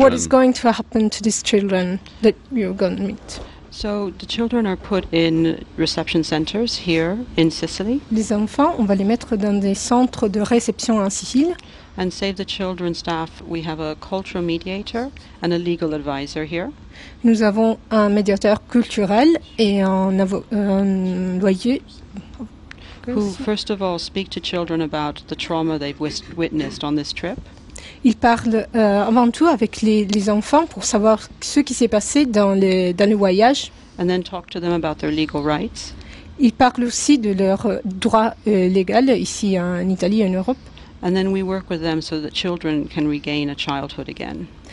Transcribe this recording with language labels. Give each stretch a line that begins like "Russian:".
English: What is going to happen to these children that you're going to meet? So the children are put in reception centers here in Sicily.
French: Les enfants, on va les mettre dans des centres de réception en Sicile.
English: And Save the Children staff, we have a cultural mediator and a legal advisor here.
French: Nous avons un médiateur culturel et un loyer.
English: Who first of all speak to children about the trauma they've witnessed on this trip.
French: Ils parlent avant tout avec les enfants pour savoir ce qui s'est passé dans le voyage.
English: And then talk to them about their legal rights.
French: Ils parlent aussi de leurs droits légaux ici en Italie et en Europe.
English: And then we work with them so that children can regain a childhood again.